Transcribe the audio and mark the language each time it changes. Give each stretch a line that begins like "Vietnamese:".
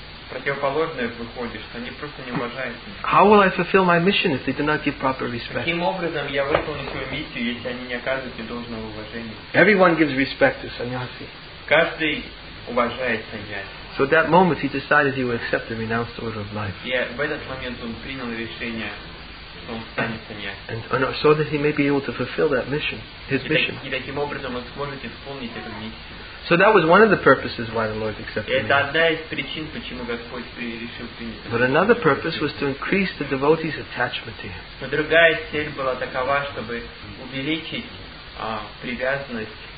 Russian: Противоположное выходит, что они просто не уважают меня.
English: How will I fulfill my mission if they do not give proper respect?
Russian: Каким образом я выполню свою миссию, если они не оказывают мне должного уважения?
English: Everyone gives respect to sannyasi.
Russian: Каждый уважает sannyasi.
English: So at that moment, he decided he would accept the renounced order of life.
Russian: Yeah, в этот момент он принял решение, что он станет саньяси.
English: And so that he may be able to fulfill that mission, his mission.
Russian: И таким образом он сможет исполнить эту миссию.
English: So that was one of the purposes why the Lord accepted
Russian: him. Это одна из причин, почему Господь решил принять.
English: But another purpose was to increase the devotee's attachment to him.
Russian: Но другая цель была такова, чтобы увеличить привязанность.